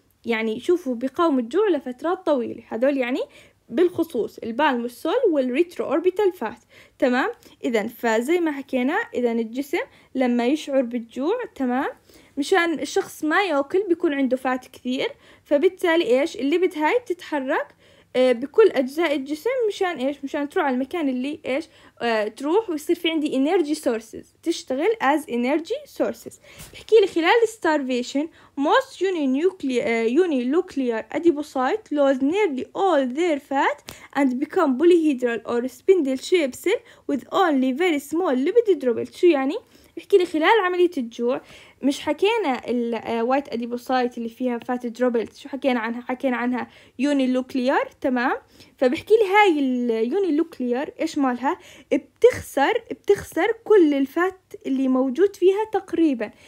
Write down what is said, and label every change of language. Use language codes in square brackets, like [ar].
[ar] يعني شوفوا بيقاوموا الجوع لفترات طويلة، هذول يعني بالخصوص البالم والسول والريترو اوربيتال فات، تمام؟ اذا فزي ما حكينا، اذا الجسم لما يشعر بالجوع، تمام، مشان الشخص ما ياكل بيكون عنده فات كثير، فبالتالي ايش الليبيد هاي بتتحرك بكل اجزاء الجسم، مشان ايش؟ مشان تروح على المكان اللي ايش تروح، ويصير في عندي انرجي سورسز تشتغل [en] as energy sources. [ar] بحكي لي خلال [en] starvation most uninuclear adipocytes lose nearly all their fat and become polyhedral or spindle shaped cell with only very small lipid droplets. [ar] شو يعني؟ بيحكي لي خلال عملية الجوع، مش حكينا ال white adipocyte اللي فيها fat droplets شو حكينا عنها؟ حكينا عنها unilocular، تمام؟ فبيحكي لي هاي ال unilocular إيش مالها؟ بتخسر كل الفات اللي موجود فيها تقريبا.